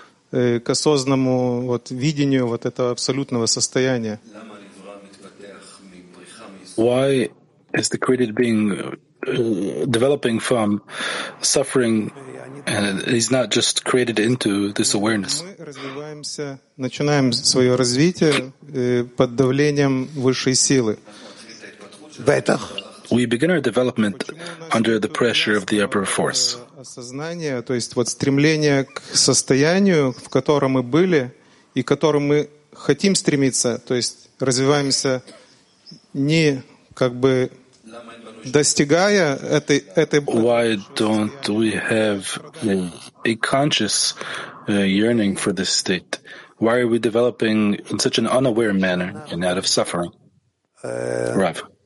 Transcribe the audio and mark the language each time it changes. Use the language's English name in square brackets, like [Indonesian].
[Russian] К осознанному вот видению вот этого абсолютного состояния. [English] Why is the created being developing from suffering, and he's not just created into this awareness? [Russian] Мы развиваемся, начинаем свое развитие под давлением высшей силы. [English] We begin our development under the pressure of the upper force. [Russian] Осознание, то есть вот стремление к состоянию, в котором мы были и к которому мы хотим стремиться, то есть развиваемся не как бы достигая этой. [English] Why don't we have a conscious yearning for this state? Why are we developing in such an unaware manner and out of suffering? Rav.